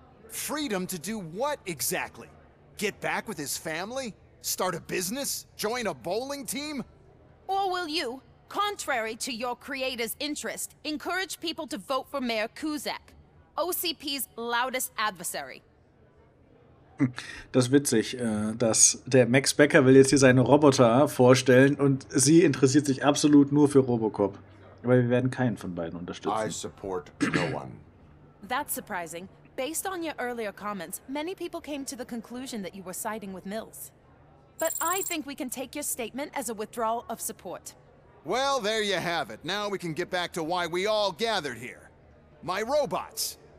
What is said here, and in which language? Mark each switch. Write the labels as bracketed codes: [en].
[en] Freedom to do what exactly? Get back with his family? Start a business? Join a bowling team? Or will you, contrary to your creator's interest, encourage people to vote for Mayor Kuzak, OCP's loudest adversary? [de] Das ist witzig, dass der Max Becker will jetzt hier seinen Roboter vorstellen und sie interessiert sich absolut nur für Robocop. Aber wir werden keinen von beiden unterstützen. [en] I support no one. That's surprising. Based on your earlier comments, many people came to the conclusion that you were siding with Mills. But I think we can take your statement as a withdrawal of support. Well, there you have it. Now we can get back to why we all gathered here. My robots.